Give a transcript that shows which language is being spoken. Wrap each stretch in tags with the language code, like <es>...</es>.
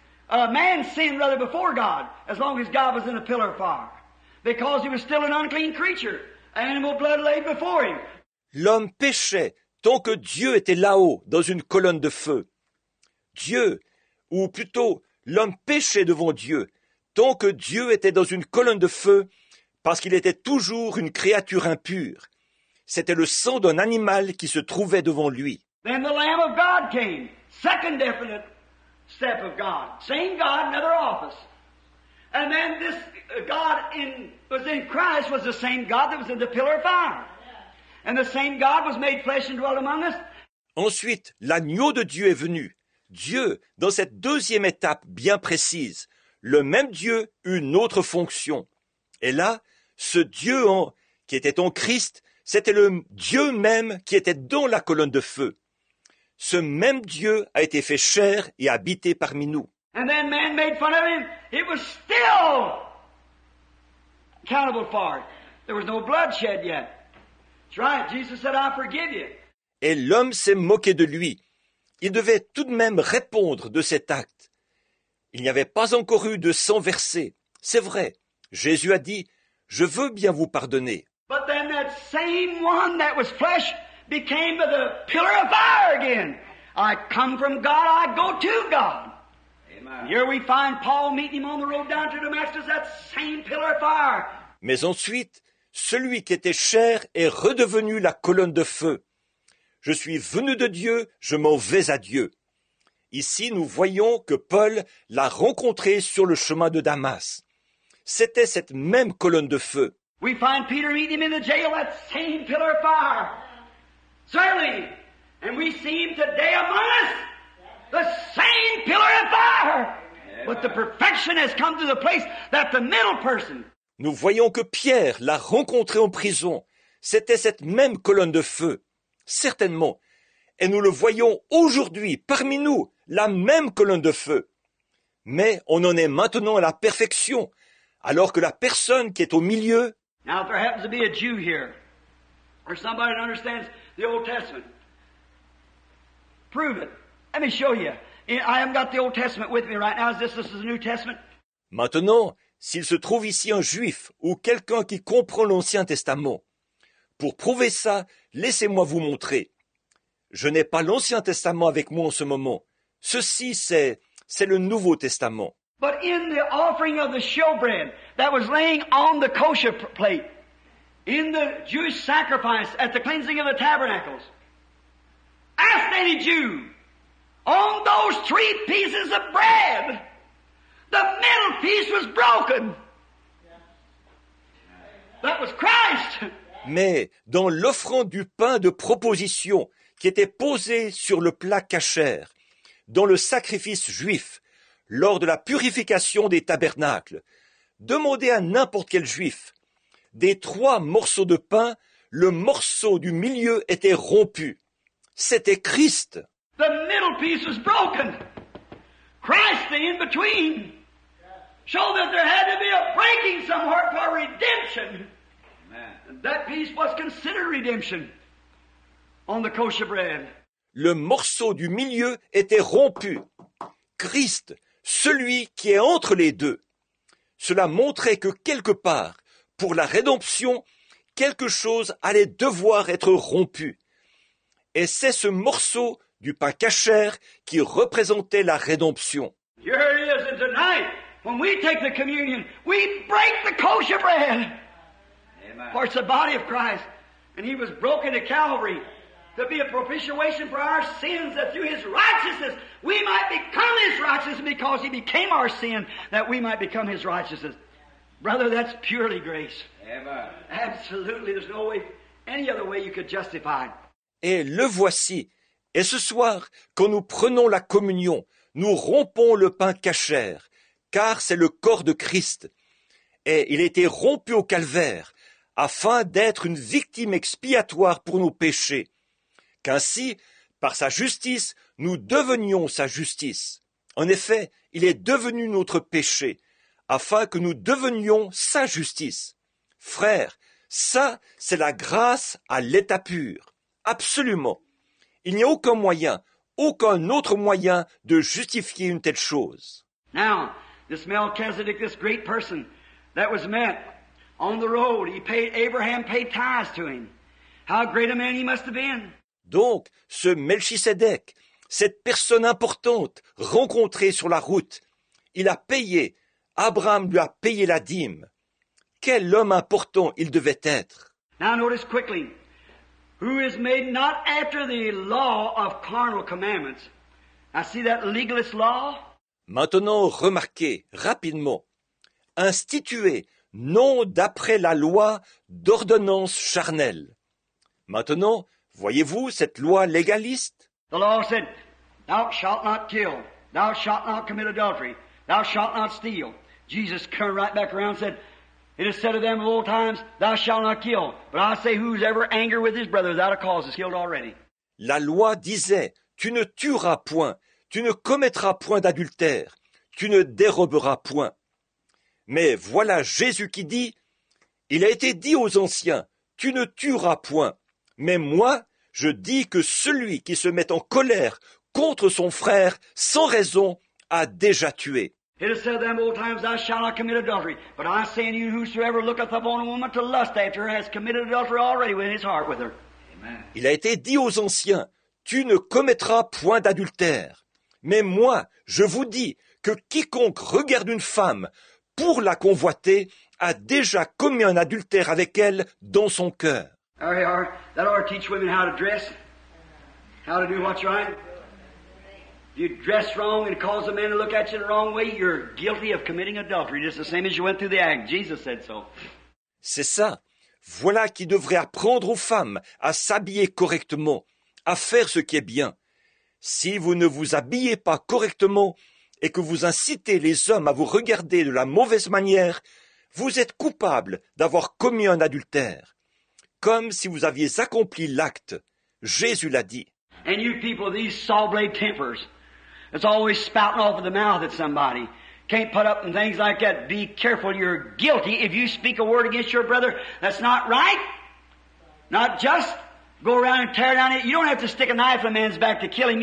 <en>Man sinned rather before God as long as God was in a pillar of fire. Because he was still an unclean creature. Animal blood laid before him.</en> <fr>L'homme péchait tant que Dieu était là-haut dans une colonne de feu. Dieu, ou plutôt l'homme péchait devant Dieu tant que Dieu était dans une colonne de feu parce qu'il était toujours une créature impure. C'était le sang d'un animal qui se trouvait devant lui.</fr> <en>Then the Lamb of God came, second definite step of God. Same God, another office. And then this God was in Christ was the same God that was in the pillar of fire. And the same God was made flesh and dwelt among us.</en> <fr>Ensuite, l'agneau de Dieu est venu. Dieu, dans cette deuxième étape bien précise, le même Dieu, une autre fonction. Et là, ce Dieu qui était en Christ, c'était le Dieu même qui était dans la colonne de feu. Ce même Dieu a été fait chair et habité parmi nous.</fr> <en>And then man made fun of him. He was still accountable for it. There was no bloodshed yet. That's right. Jesus said, I forgive you.</en> <fr>Et l'homme s'est moqué de lui. Il devait tout de même répondre de cet acte. Il n'y avait pas encore eu de sang versé. C'est vrai. Jésus a dit, je veux bien vous pardonner.</fr> <en>But then that same one that was flesh became the pillar of fire again. I come from God, I go to God. Amen. Here we find Paul meeting him on the road down to Damascus, that same pillar of fire.</en> <fr>Mais ensuite, celui qui était chair est redevenu la colonne de feu. Je suis venu de Dieu, je m'en vais à Dieu. Ici, nous voyons que Paul l'a rencontré sur le chemin de Damas. C'était cette même colonne de feu.</fr> <en>We find Peter meeting him in the jail, that same pillar of fire. Certainly. And we see him today among us, the same pillar of fire. But the perfection has come to the place that the middle person.</en> <fr>Nous voyons que Pierre l'a rencontré en prison. C'était cette même colonne de feu, certainement. Et nous le voyons aujourd'hui, parmi nous, la même colonne de feu. Mais on en est maintenant à la perfection, alors que la personne qui est au milieu...</fr> <en>Now, if there happens to be a Jew here, or somebody that understands the Old Testament, prove it. Let me show you. I haven't got the Old Testament with me right now. Is this the New Testament?</en> <fr>Maintenant, s'il se trouve ici un juif ou quelqu'un qui comprend l'Ancien Testament, pour prouver ça, laissez-moi vous montrer. Je n'ai pas l'Ancien Testament avec moi en ce moment. Ceci, c'est le Nouveau Testament.</fr> <en>But in the offering of the showbread that was laying on the kosher plate, in the Jewish sacrifice at the cleansing of the tabernacles, ask any Jew, on those three pieces of bread, the middle piece was broken. That was Christ.</en> <fr>Mais dans l'offrande du pain de proposition qui était posé sur le plat cachère, dans le sacrifice juif, lors de la purification des tabernacles, demandez à n'importe quel juif, des trois morceaux de pain, le morceau du milieu était rompu. C'était Christ.</fr> <en>The middle piece was broken. Christ, the in-between. Show that there had to be a breaking somewhere for redemption. Amen. That piece was considered redemption on the kosher bread.</en> <fr>Le morceau du milieu était rompu. Christ, celui qui est entre les deux. Cela montrait que quelque part, pour la rédemption, quelque chose allait devoir être rompu. Et c'est ce morceau du pain cachère qui représentait la rédemption.</fr> <en>Here it is, and tonight. When we take the communion, we break the kosher bread. Amen. For it's the body of Christ. And he was broken at Calvary to be a propitiation for our sins, that through his righteousness we might become his righteousness, because he became our sin, that we might become his righteousness. Brother, that's purely grace. Amen. Absolutely, there's no way, any other way you could justify.</en> <fr>Et le voici. Et ce soir, quand nous prenons la communion, nous rompons le pain cachère, car c'est le corps de Christ. Et il a été rompu au calvaire, afin d'être une victime expiatoire pour nos péchés, qu'ainsi, par sa justice, nous devenions sa justice. En effet, il est devenu notre péché, afin que nous devenions sa justice. Frère, ça, c'est la grâce à l'état pur. Absolument. Il n'y a aucun moyen, aucun autre moyen de justifier une telle chose.</fr> <en>Now, this Melchizedek, this great person that was met on the road, he paid, Abraham paid tithes to him. How great a man he must have been.</en> <fr>Donc, ce Melchisédek, cette personne importante rencontrée sur la route, il a payé, Abraham lui a payé la dîme. Quel homme important il devait être.</fr> <en>Now notice quickly, who is made not after the law of carnal commandments. I see that legalist law.</en> <fr>Maintenant, remarquez rapidement, institué non d'après la loi d'ordonnance charnelle. Maintenant, voyez-vous cette loi légaliste?</fr> <en>The law said, thou shalt not kill, thou shalt not commit adultery, thou shalt not steal. Jesus turned right back around and said, it is said of them of old times, thou shalt not kill. But I say, who's ever angry with his brother without a cause is killed already.</en> <fr>La loi disait, tu ne tueras point, tu ne commettras point d'adultère, tu ne déroberas point. Mais voilà Jésus qui dit, il a été dit aux anciens, tu ne tueras point. Mais moi, je dis que celui qui se met en colère contre son frère sans raison a déjà tué.</fr> <en>It is said of them old times, thou shalt not commit adultery. But I say unto you, whosoever looketh upon a woman to lust after her has committed adultery already within his heart with her. Amen.</en> <fr>Il a été dit aux anciens, tu ne commettras point d'adultère. Mais moi, je vous dis que quiconque regarde une femme pour la convoiter a déjà commis un adultère avec elle dans son cœur.</fr> <en>There you are. That ought to teach women how to dress, how to do what's right. If you dress wrong and cause a man to look at you the wrong way, you're guilty of committing adultery, just the same as you went through the act. Jesus said so.</en> <fr>C'est ça. Voilà qui devrait apprendre aux femmes à s'habiller correctement, à faire ce qui est bien. Si vous ne vous habillez pas correctement et que vous incitez les hommes à vous regarder de la mauvaise manière, vous êtes coupable d'avoir commis un adultère. Comme si vous aviez accompli l'acte. Jésus l'a dit.</fr> <en>And you people, these saw blade tempers, it's always spouting off of the mouth at somebody. Can't put up and things like that. Be careful, you're guilty. If you speak a word against your brother, that's not right. Not just go around and tear down it. You don't have to stick a knife in a man's back to kill him.</en>